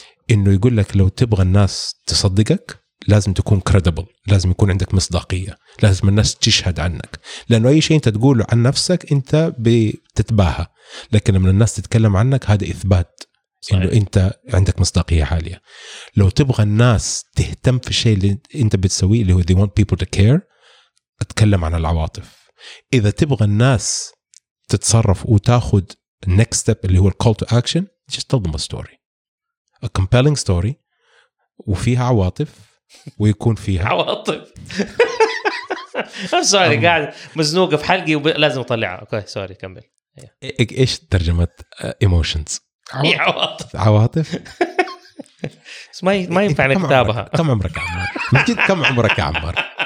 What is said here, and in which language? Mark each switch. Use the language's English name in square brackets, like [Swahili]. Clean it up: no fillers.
[Arabic] انه يقول لك لو تبغى الناس تصدقك لازم تكون كريديبل، لازم يكون عندك مصداقيه، لازم الناس تشهد عنك، لانه اي شيء انت تقوله عن نفسك انت بتتباهى، لكن لما الناس تتكلم عنك هذا اثبات انه انت عندك مصداقيه عاليه. لو تبغى الناس تهتم في الشيء اللي انت بتسويه اللي هو [English] they want people to care، [Arabic] اتكلم عن العواطف. اذا تبغى الناس تتصرف وتاخذ next step اللي هو call to action، [English] just tell them a story, a compelling story [Arabic] وفيها عواطف ويكون فيها عواطف. سوري قاعد مزنوقة في حلقي ولازم اطلعها. اوكي سوري كمل. ايش ترجمة emotions؟ عواطف. بس ما ينفع نكتابها. كم عمرك يا عمار؟